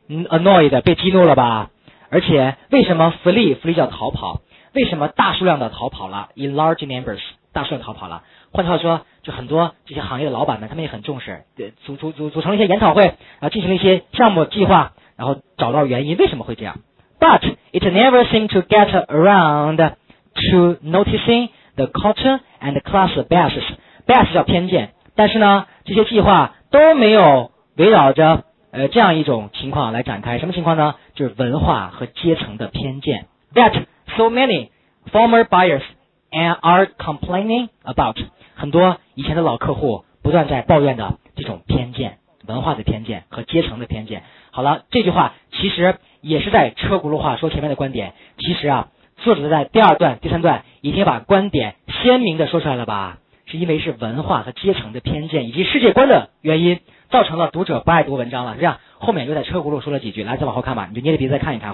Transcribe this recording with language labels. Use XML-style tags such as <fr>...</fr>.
<zh>annoyed 被激怒了吧？而且为什么 flee 叫逃跑？为什么大数量的逃跑了 ？</zh> <en>In large numbers</en> <zh>大数量逃跑了。换句话说，就很多这些行业的老板们，他们也很重视，组成了一些研讨会，然后进行了一些项目计划，然后找到原因为什么会这样。</zh> <en>But it never seemed to get around to noticing the culture and class biases.</en> <zh>Bias 叫偏见，但是呢，这些计划都没有围绕着这样一种情况来展开。什么情况呢？就是文化和阶层的偏见。</zh> <en>That so many former buyers are complaining about.</en> <zh>很多以前的老客户不断在抱怨的这种偏见，文化的偏见和阶层的偏见。好了，这句话其实也是在车轱辘话说前面的观点。其实啊，作者在第二段、第三段已经把观点鲜明的说出来了吧？是因为是文化和阶层的偏见以及世界观的原因，造成了读者不爱读文章了。这样，后面又在车轱辘说了几句，来再往后看吧，你就捏着鼻子再看一看。</zh>